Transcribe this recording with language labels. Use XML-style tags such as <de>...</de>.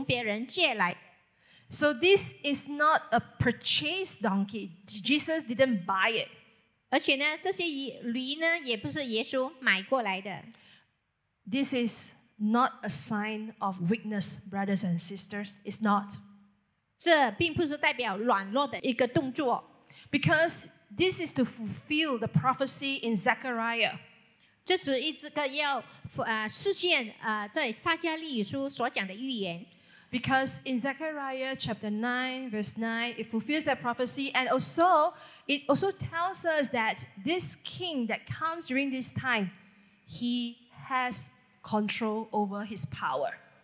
<zh>并不属于耶稣，而是从别人借来。</zh> <en>So this is not a purchased donkey. Jesus didn't buy it.</en> <zh>而且呢，这些驴呢，也不是耶稣买过来的。</zh> <en>This is not a sign of weakness, brothers and sisters. It's not.</en> <zh>这并不是代表软弱的一个动作。</zh> <en>Because this is to fulfill the prophecy in Zechariah.</en> <zh>这是一个要实现在撒迦利亚书所讲的预言。</zh> <en>Because in Zechariah chapter 9, verse 9, it fulfills that prophecy and also it also tells us that this king that comes during this time, he has control over his power.</en>